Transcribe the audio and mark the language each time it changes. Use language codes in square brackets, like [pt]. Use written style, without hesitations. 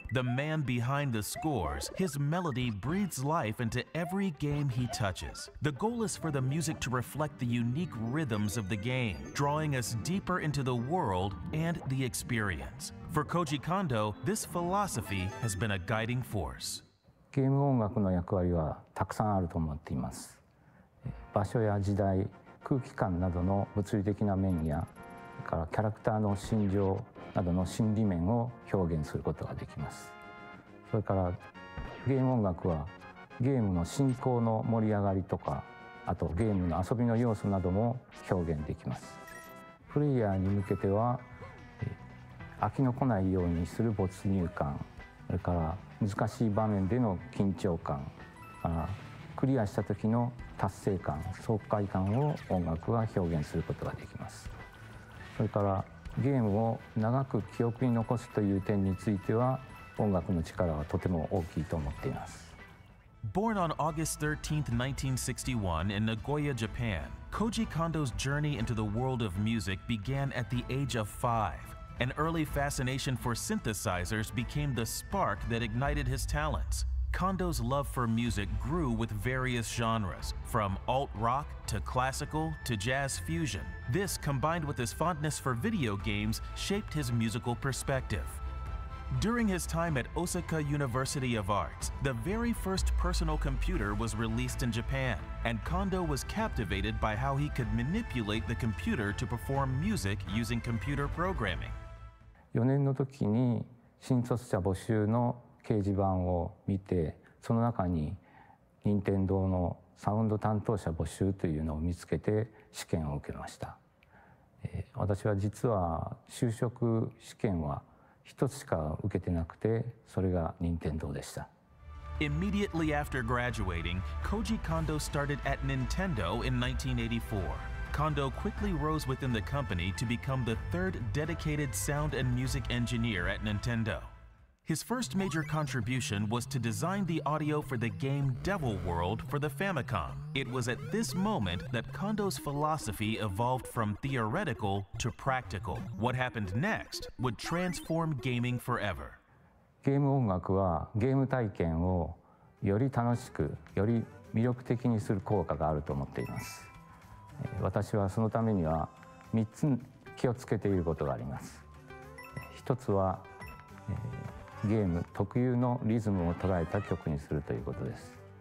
[en] The man behind the scores, his melody breathes life into every game he touches. The goal is for the music to reflect the unique rhythms of the game, drawing us deeper into the world and the experience. For Koji Kondo, this philosophy has been a guiding force. [ja] ゲーム音楽の役割はたくさんあると思っています。場所や時代、空気感などの物理的な面や、からキャラクターの心情などの心理面を表現することができます。それからゲーム音楽はゲームの進行の盛り上がりとか、あとゲームの遊びの要素なども表現できます。プレイヤーに向けては飽きのこないようにする没入感、それから難しい場面での緊張感、クリアした時の達成感、爽快感を音楽は表現することができます。それからゲームを長く記憶に残すという点については音楽の力はとても大きいと思っています。 [en] Born on August 13th, 1961 in Nagoya, Japan, Koji Kondo's journey into the world of music began at the age of 5. An early fascination for synthesizers became the spark that ignited his talents. Kondo's love for music grew with various genres, from alt rock to classical to jazz fusion. This, combined with his fondness for video games, shaped his musical perspective. During his time at Osaka University of Arts, the very first personal computer was released in Japan, and Kondo was captivated by how he could manipulate the computer to perform music using computer programming. [ja] 4年の時に新卒者募集の掲示板を見て、その中に任天堂のサウンド担当者募集というのを見つけて試験を受けました。私は実は就職試験は一つしか受けてなくて、それが任天堂でした。 [en] Immediately after graduating, Koji Kondo started at Nintendo in 1984. Kondo quickly rose within the company to become the third dedicated sound and music engineer at Nintendo. His first major contribution was to design the audio for the game Devil World for the Famicom. It was at this moment that Kondo's philosophy evolved from theoretical to practical. What happened next would transform gaming forever. [ja] ゲーム音楽はゲーム体験をより楽しく、より魅力的にする効果があると思っています。私はそのためには3つ気をつけていることがあります。一つは、ゲーム特有のリズムを捉えた曲にするということです。